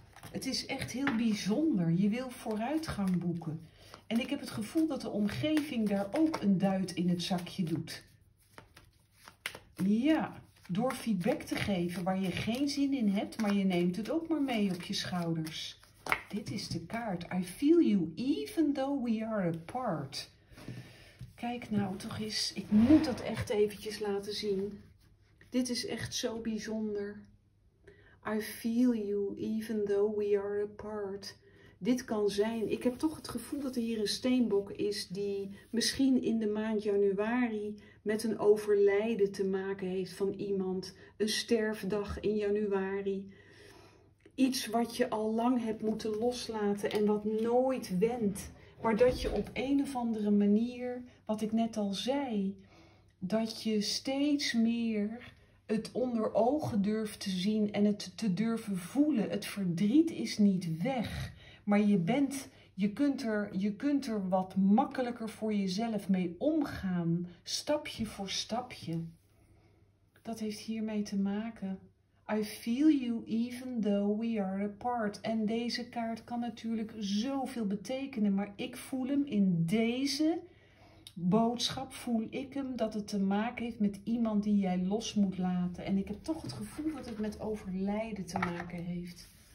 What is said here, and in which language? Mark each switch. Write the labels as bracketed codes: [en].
[nl] Het is echt heel bijzonder. Je wil vooruitgang boeken. En ik heb het gevoel dat de omgeving daar ook een duit in het zakje doet. Ja, door feedback te geven waar je geen zin in hebt, maar je neemt het ook maar mee op je schouders. Dit is de kaart. [en] I feel you even though we are apart. [nl] Kijk nou toch eens. Ik moet dat echt eventjes laten zien. Dit is echt zo bijzonder. [en] I feel you even though we are apart. [nl] Dit kan zijn. Ik heb toch het gevoel dat er hier een steenbok is die misschien in de maand januari met een overlijden te maken heeft van iemand. Een sterfdag in januari. Iets wat je al lang hebt moeten loslaten en wat nooit went. Maar dat je op een of andere manier, wat ik net al zei, dat je steeds meer het onder ogen durft te zien en het te durven voelen. Het verdriet is niet weg. Maar je kunt er wat makkelijker voor jezelf mee omgaan. Stapje voor stapje. Dat heeft hiermee te maken. [en] I feel you even though we are apart. [nl] En deze kaart kan natuurlijk zoveel betekenen. Maar ik voel hem in deze boodschap. Voel ik hem dat het te maken heeft met iemand die jij los moet laten. En ik heb toch het gevoel dat het met overlijden te maken heeft.